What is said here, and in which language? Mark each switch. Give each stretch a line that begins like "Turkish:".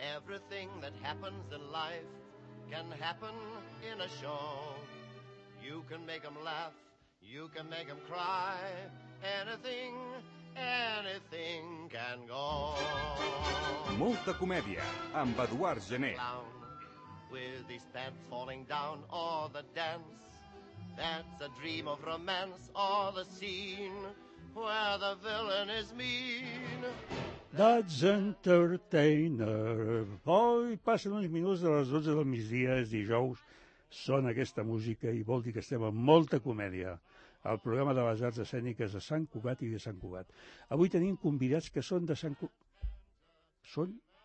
English: everything that happens in life can happen in a show. You can make them laugh, you can make them cry. Anything, anything can go.
Catalan: Molta comèdia amb Eduard Gené.
English: Clown with his pants falling down, or the dance that's a dream of romance, or the scene where the villain is mean. That's Entertainer.
Catalan: Poi passen uns minuts de les 12 del migdia, és dijous, sona aquesta música i vol dir que estem amb molta comèdia al programa de les arts escèniques de Sant Cugat i de Sant Cugat. Avui tenim convidats que són de Sant Cugat. Són?